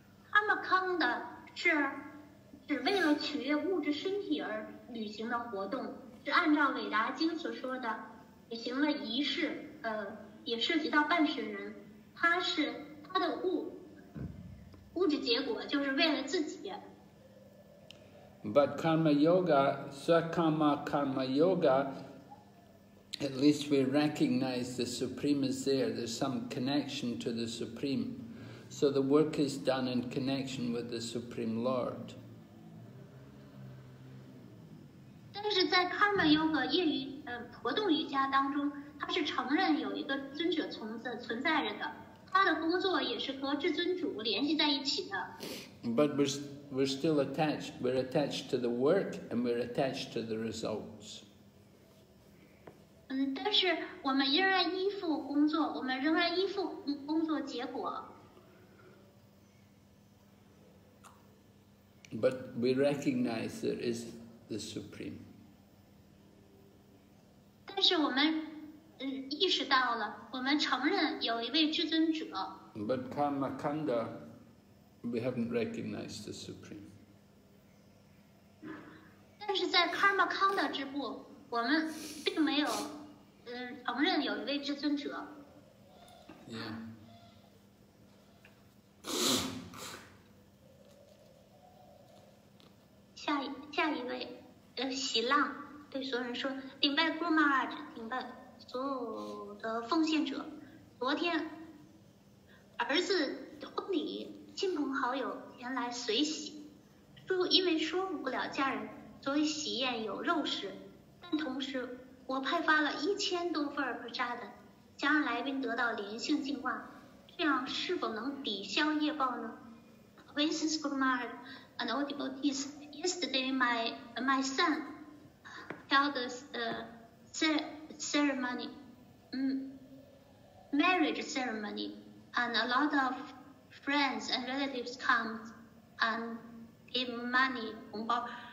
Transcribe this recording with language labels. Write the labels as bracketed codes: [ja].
[zh] Karmakanda 是只为了取悦物质身体而履行的活动，是按照韦达经所说的履行了仪式，也涉及到办事人，他的物质结果就是为了自己。 [en] But karma yoga, sakama karma yoga, at least we recognize the supreme is there. There's some connection to the supreme. So the work is done in connection with the Supreme Lord. [zh] 但是在 Karma Yoga 业余活动瑜伽当中，他是承认有一个尊者存在着的，他的工作也是和至尊主联系在一起的。 [en] But we're still attached. We're attached to the work and we're attached to the results. [zh] 但是我们仍然依附工作，我们仍然依附工作结果。 [en] But we recognize there is the Supreme. [zh] 但是我们意识到了，我们承认有一位至尊者。 [en] But Karma Kanda, we haven't recognized the Supreme. [zh] 但是在 Karma Kanda 之部，我们并没有承认有一位至尊者。 [en] Yeah. [zh] 下一位喜浪对所有人说，顶拜 Guru Maharaj， 顶拜所有的奉献者，昨天儿子婚礼，亲朋好友前来随喜，因为说服不了家人，所以喜宴有肉食，但同时我派发了1000多份不扎的，想让来宾得到灵性净化，这样是否能抵消业报呢？ [en] Vincent Guru Maharaj and all devotees, yesterday my son held the ceremony, marriage ceremony, and a lot of friends and relatives come and give money, [zh] 红包.